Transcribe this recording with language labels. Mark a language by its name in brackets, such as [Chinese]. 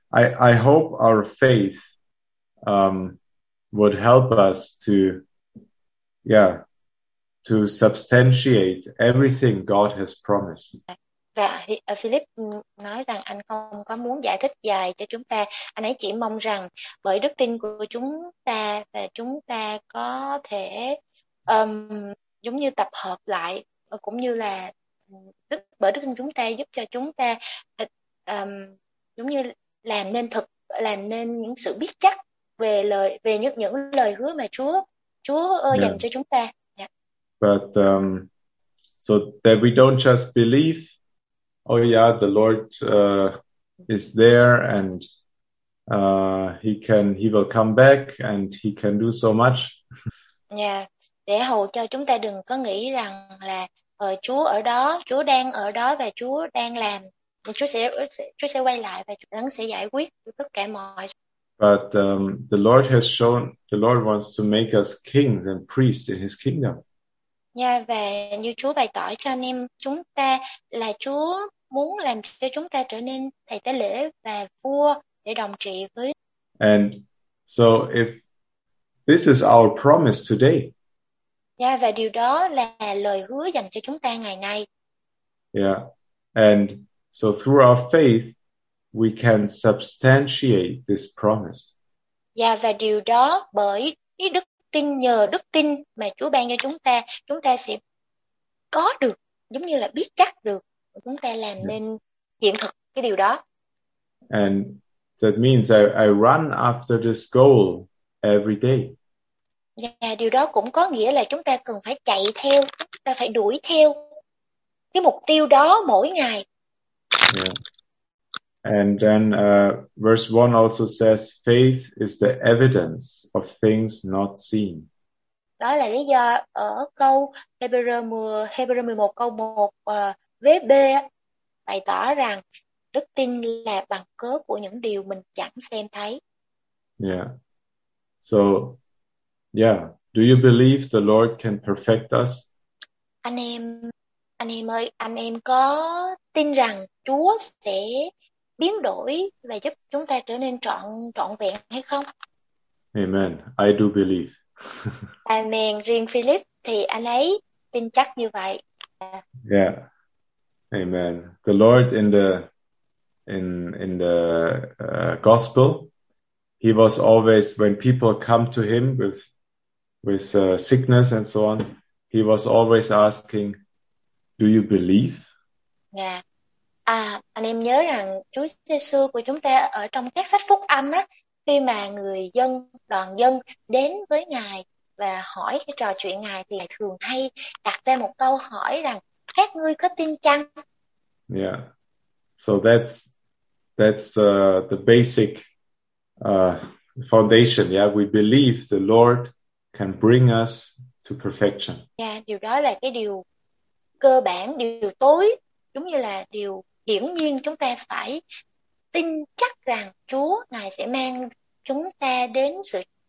[English] I hope our faith would help us to substantiate everything God has promised. [Vietnamese] Và Philip nói rằng anh không có muốn giải thích dài cho chúng ta. Anh ấy chỉ mong rằng bởi đức tin của chúng ta và chúng ta có thể giống như tập hợp lại, cũng như là bởi đức tin chúng ta giúp cho chúng ta giống như làm nên thực, làm nên những sự biết chắc về những lời hứa mà Chúa Chúa dành cho chúng ta. [English] But so that we don't just believe, oh yeah, the Lord is there and he will come back and he can do so much. [Vietnamese] Yeah, để hầu cho chúng ta đừng có nghĩ rằng là Chúa ở đó, Chúa đang ở đó và Chúa đang làm, Chúa sẽ quay lại và Chúa sẽ giải quyết tất cả mọi. [English] But the Lord has shown, the Lord wants to make us kings and priests in his kingdom. [Vietnamese] Yeah, và như Chúa bày tỏ cho anh em chúng ta là Chúa muốn làm cho chúng ta trở nên thầy tế lễ và vua để đồng trị với. [English] And so if this is our promise today. [Vietnamese] Yeah, và điều đó là lời hứa dành cho chúng ta ngày nay. Yeah. [English] And so through our faith, we can substantiate this promise. [Vietnamese] Yeah, và điều đó bởi cái đức tin, nhờ đức tin mà Chúa ban cho chúng ta sẽ có được, giống như là biết chắc được, chúng ta làm nên hiện thực cái điều đó. [English] And that means I run after this goal every day. [Vietnamese] Yeah, điều đó cũng có nghĩa là chúng ta cần phải chạy theo, chúng ta phải đuổi theo cái mục tiêu đó mỗi ngày. Yeah. [English] And then verse 1 also says faith is the evidence of things not seen. [Vietnamese] Đó là lý do ở câu Hebrew 11 câu 1 vế B bày tỏ rằng đức tin là bằng cớ của những điều mình chẳng xem thấy. Yeah. [English] So, yeah, do you believe the Lord can perfect us? [Vietnamese] Anh em ơi, anh em có tin rằng Chúa sẽ biến đổi và giúp chúng ta trở nên trọn vẹn hay không? [English] Amen. I do believe. Amen. [Vietnamese] Riêng Philip thì anh ấy tin chắc như vậy. Yeah. Amen. [English] The Lord in the gospel, he was always, when people come to him with sickness and so on, he was always asking, do you believe? [Vietnamese] Yeah. À, anh em nhớ rằng Chúa Giêsu của chúng ta ở trong các sách phúc âm á, khi mà người dân, đoàn dân đến với Ngài và hỏi cái trò chuyện Ngài thì Ngài thường hay đặt ra một câu hỏi rằng các ngươi có tin chăng? [English] Yeah. So that's the basic foundation. Yeah, we believe the Lord can bring us to perfection. [Vietnamese] Yeah, điều đó là cái điều cơ bản, điều tối, giống như là điều hiển nhiên, chúng ta phải tin chắc rằng Chúa Ngài sẽ mang chúng ta đến sự.